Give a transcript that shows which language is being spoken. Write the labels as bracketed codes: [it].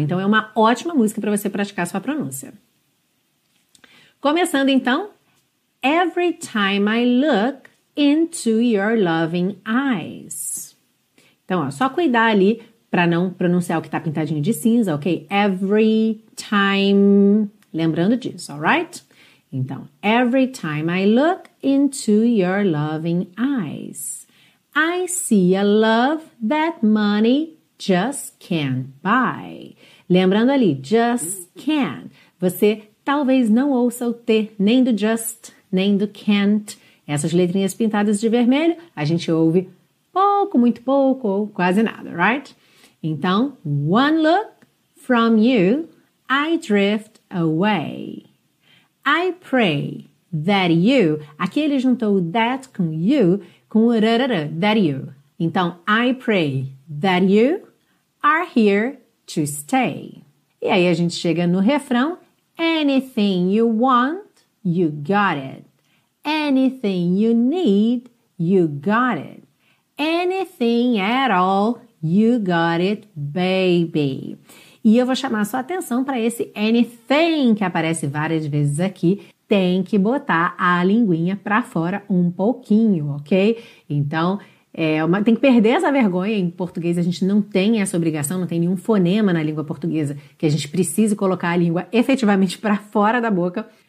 [pt] Então é uma ótima música para você praticar sua pronúncia. Começando então, [en] Every time I look into your loving eyes. [pt] Então, ó, só cuidar ali para não pronunciar o que está pintadinho de cinza, ok? [en] Every time, lembrando disso, alright? Então, every time I look into your loving eyes, I see a love that money just can't buy. [pt] Lembrando ali, [en] just can. [pt] Você talvez não ouça o T, nem do just, nem do can't. Essas letrinhas pintadas de vermelho, a gente ouve pouco, muito pouco, ou quase nada, right? [en] Então, one look from you, I drift away. I pray that you, [pt] aqui ele juntou o that com you, com o rarara, that you. [en] Então, I pray that you are here to stay. [pt] E aí a gente chega no refrão, [en] anything you want, you got it. Anything you need, you got it. Anything at all, you got it, baby. [pt] E eu vou chamar a sua atenção para esse anything que aparece várias vezes aqui. Tem que botar a linguinha para fora um pouquinho, ok? Então, tem que perder essa vergonha. Em português a gente não tem essa obrigação, não tem nenhum fonema na língua portuguesa que a gente precise colocar a língua efetivamente para fora da boca.